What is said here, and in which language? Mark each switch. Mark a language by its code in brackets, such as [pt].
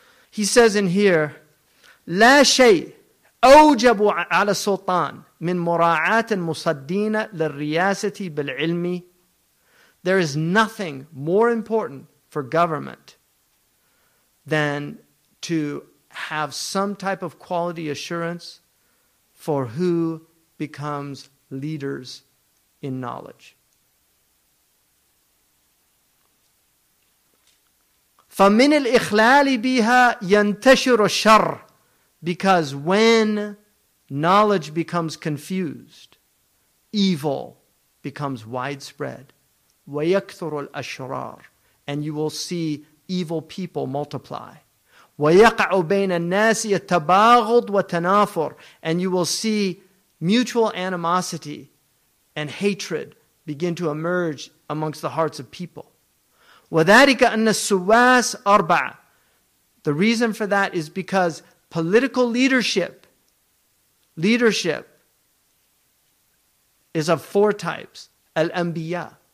[en] He says in here, [ar] لا شيء أوجب على السلطان من مراعاة المصدين للرياسة بالعلم. [en] There is nothing more important for government than to have some type of quality assurance for who becomes leaders in knowledge. [ar] فمن الإخلال بها ينتشر الشر. [en] Because when knowledge becomes confused, evil becomes widespread. [ar] ويكثر الأشرار. [en] And you will see evil people multiply. [ar] ويقع بين الناس التباغض وتنافر. [en] And you will see mutual animosity and hatred begin to emerge amongst the hearts of people. [ar] وذلك أن السواس أربعة. [en] The reason for that is because political leadership is of four types. Al-Anbiya.